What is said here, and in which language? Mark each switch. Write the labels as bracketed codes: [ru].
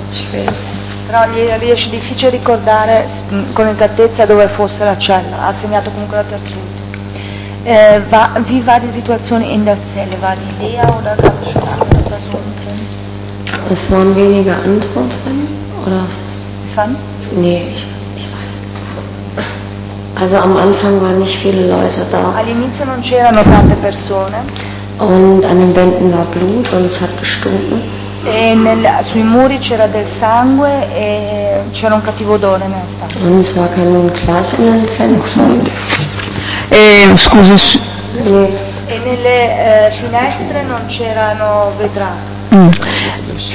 [it] Però gli riesce difficile ricordare con esattezza dove fosse la cella, ha segnato comunque la terz'ultima. [de] Wie war die Situation in der Zelle? War die leer oder gab es schon andere Personen drin? Es waren weniger andere drin, oder? Es waren? Nee, ich weiß nicht. Also am Anfang waren nicht viele Leute da. [it] All'inizio non c'erano tante persone. [de] Und an den Wänden war Blut und es hat gestunken. [it] E sui muri c'era del sangue e c'era un cattivo odore nella stanza. [de] Und es war kein Glas in den Fenstern. [it] Scusi. E nelle finestre non c'erano vetrate.